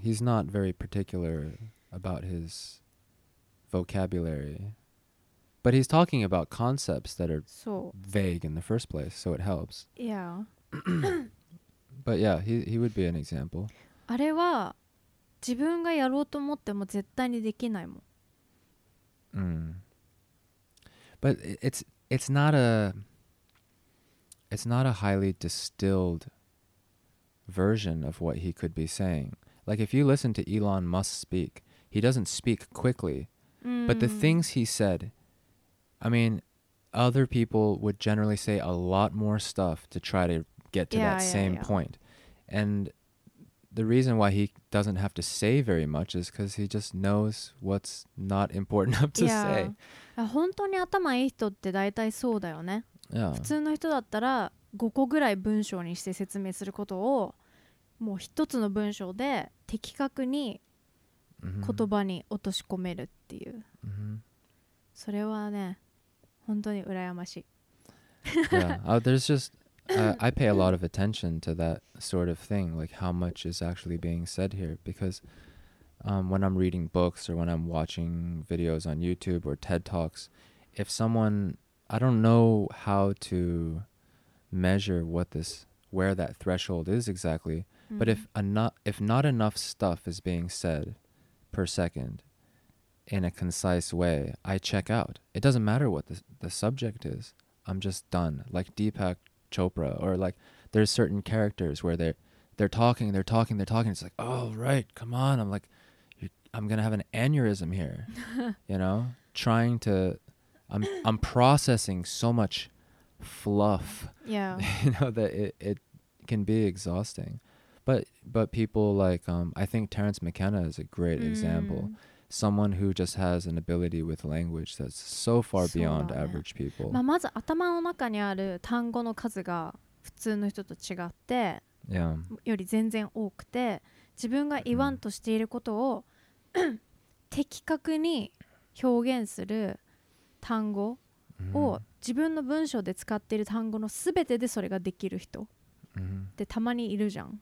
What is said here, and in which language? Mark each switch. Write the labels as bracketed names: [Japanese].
[English] He's not very particular about his vocabulary, but he's talking about concepts that are so vague in the first place, so it helps. Yeah. But yeah, he would be an example. [Japanese] あれは自分がやろうと思っても絶対にできないもん。 [English] But it's not a highly distilled version of what he could be saying. Like if you listen to Elon Musk speak, he doesn't speak quickly. But the things he said, I mean, other people would generally say a lot more stuff to try to get to that same point. And the reason why he doesn't have to say very much is because he just knows what's not important enough to say. [Japanese] 本当に頭いい人って大体そうだよね。 [English] Yeah. [Japanese] 普通の人だったら5個ぐらい文章にして説明することをもう一つの文章で的確に言葉に落とし込めるっていう。 Mm-hmm. それはね、本当に羨ましい。 [English] Yeah. There's just... I pay a lot of attention to that sort of thing, like how much is actually being said here, because when I'm reading books or when I'm watching videos on YouTube or TED Talks, if someone, I don't know how to measure where that threshold is exactly, mm-hmm. but if not enough stuff is being said per second in a concise way, I check out. It doesn't matter what the subject is, I'm just done. Like Deepak Chopra, or like there's certain characters where they're talking, it's like, oh right, come on, I'm like, I'm gonna have an aneurysm here. You know, trying to I'm processing so much fluff, yeah, you know, that it can be exhausting. But people like I think Terence McKenna is a great example. Someone who just has an ability with language that's so far beyond average people. [Japanese] まあまず頭の中にある単語の数が普通の人と違って、 [English] yeah. [Japanese] より全然多くて、自分が言わんとしていることを的確に表現する単語を自分の文章で使っている単語の全てでそれができる人ってたまにいるじゃん。